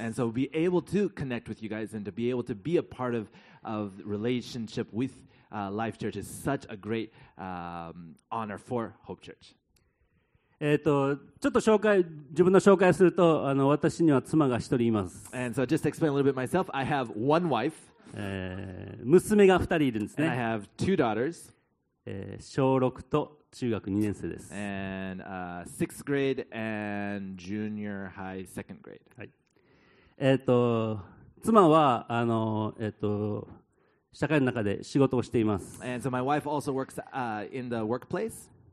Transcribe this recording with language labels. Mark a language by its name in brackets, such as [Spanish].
[English] And so be able to connect with you guys and to be able to be a part of relationship withLife Church is such a great honor for Hope Church. [Japanese] ちょっと紹介、自分の紹介すると、あの私には妻が一人います。 [English] And so just to explain a little bit myself, I have one wife. [Japanese] 娘が二人いるんですね。 [English] And I have two daughters. [Japanese] 小六と中学二年生です。 [English] And sixth grade and junior high second grade. [Japanese] はい。妻はあの社会の中で仕事をしています。 [English] And so my wife also works in the workplace.